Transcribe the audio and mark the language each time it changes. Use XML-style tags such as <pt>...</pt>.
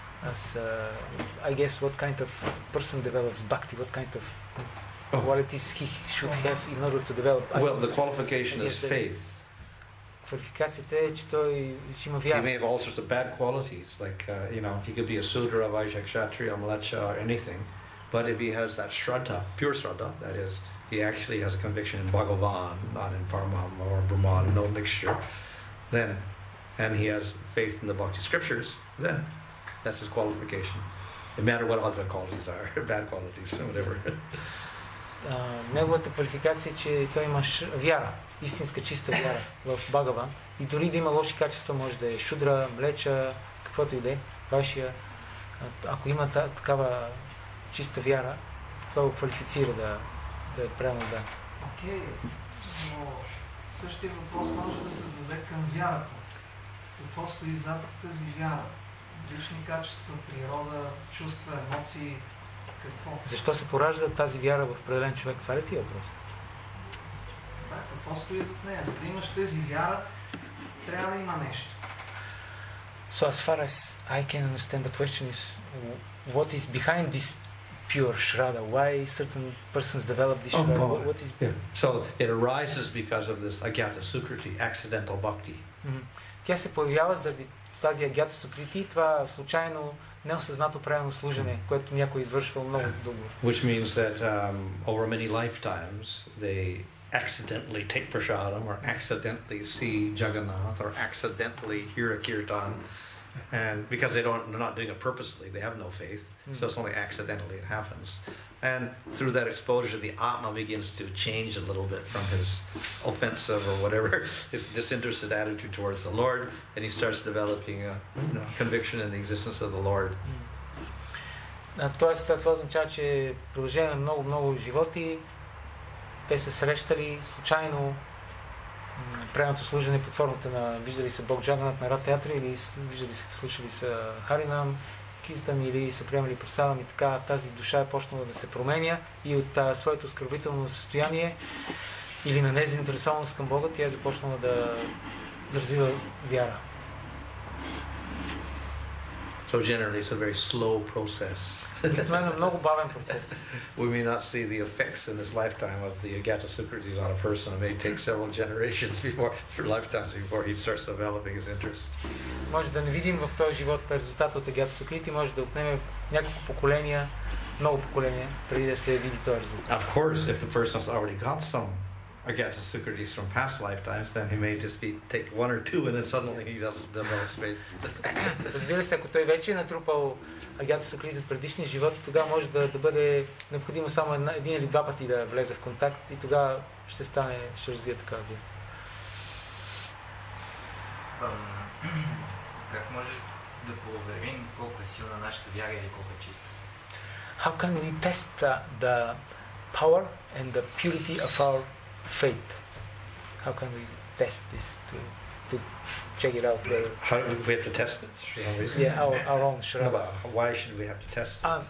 <en>As I guess, what kind of person develops bhakti? What kind of qualities he should have in order to develop? Well, the qualification is faith.</en> <bg>Квалификацията е, че той ще има вяра.</bg> <en>He may have all sorts of bad qualities, like you know, he could be a sudra, vaishya, kshatriya, mlecha, or anything, but if he has that shraddha, pure shraddha, that is, he actually has a conviction in Bhagavan, not in Paramahamsa or Brahman, no mixture, then, and he has faith in the bhakti scriptures, then. That's his qualification. No matter what other qualities are, bad qualities, whatever.</en> <bg>Неговата квалификация е, че той има вяра, истинска чиста вяра в Бхагаван. И дори да има лоши качества, може да е шудра, млеча, каквото и да е, вашия. Ако има такава чиста вяра, това го квалифицира да е правилно да. Окей, но същия въпрос може да се зададе към вярата. Какво стои зад тази вяра? Лични качества, природа, чувства, емоции, какво? Защо се поражда тази вяра в определен човек? Това ли ти е въпрос? Да, какво стои зад нея? За да имаш тази вяра, трябва да има нещо.</bg> <en>So as far as I can understand, the question is, what is behind this pure shraddha? Why certain persons develop this shraddha? Oh, what is... yeah. So it arises because of this agyata sukriti, accidental bhakti. Mm-hmm.</en> <bg>Тя се появява заради тази агията сукрити, това случайно неосъзнато правилно служене, което някой извършва много дълго.</bg> <en>Which means that over many lifetimes they accidentally take prasadam or accidentally see Jagannath or accidentally hear a kirtan, and because they're not doing it purposely, they have no faith, so it's only accidentally it happens. And through that exposure, the Atma begins to change a little bit from his offensive or whatever, his disinterested attitude towards the Lord, and he starts developing a conviction in the existence of the Lord.</en> <bg>Тоест, това означава, че продължение на много-много животи, те се срещали случайно правилното служене под формата на виждали се Бог Джаганат на Рад театри или виждали се, слушали се Харинам, Киртан или са приемали Прасадам и така, тази душа е почнала да се променя и от своето оскърбително състояние или на незаинтересованост към Бога, тя е започнала да развива вяра.</bg> <en>So generally it's a very slow process.</en> <bg>Обикновено е много бавен процес.</bg> <en>We may not see the effects in this lifetime of the agyata sukritis on a person. It may take several generations before, for lifetimes before he starts developing his interest.</en> <bg>Може да не видим в този живот резултата от агата сукрити, може да отнеме няколко поколения, ново поколение преди да се види този резултат.</bg> <en>Of course, if the person has already got some Agata Sukritis from past lifetimes, then he may just be take one or two and then suddenly he doesn't develop space.</en> <bg>Разбира се, ако той вече е натрупал Агата Сукритис от предишния живот, тогава може да бъде необходимо само един или два пъти да влезе в контакт и тогава ще стане, ще развие така вие. Как може да проверим колко е силна нашата вяра или колко е чиста?</bg> <en>How can we test the power and the purity of our faith? How can we test this to check it out? How we have to test it? Yeah, our own shraddha. No, but why should we have to test it?</en>